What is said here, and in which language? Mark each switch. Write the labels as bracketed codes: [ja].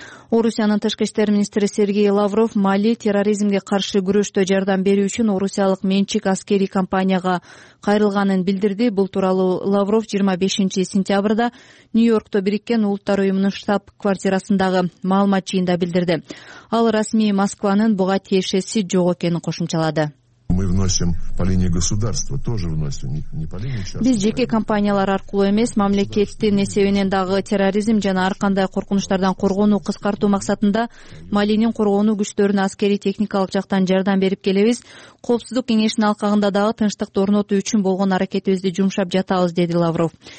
[ky] Орусиянын тышкы иштер министри Сергей Лавров Мали терроризмге каршы күрөштө жардам берүү үчүн орусиялык менчик аскерий компанияга кайрылганын билдирди. Бул тууралуу Лавров 25 сентябрда Нью-Йоркто Бириккен Улуттар Уюмунун штаб квартирасындагы маалымат жыйында билдирди. Ал расмий Москванын буга тиешеси жок экенин кошумчалады. [ru] Мы вносим по линии государства, тоже вносим, не по линии частного. [ky] Биз жеке компаниялар аркылуу эмес, мамлекеттин эсебинен дагы терроризм жана ар кандай коркунучтардан коргонууну кыскартуу максатында Малинин коргонуу күчтөрүнө аскерий техникалык жактан жардам берип келебиз. Коопсуздук кеңешинин алкагында дагы тынчтыкты орнотуу үчүн болгон аракетибизди жумшап жатабыз, деди Лавров.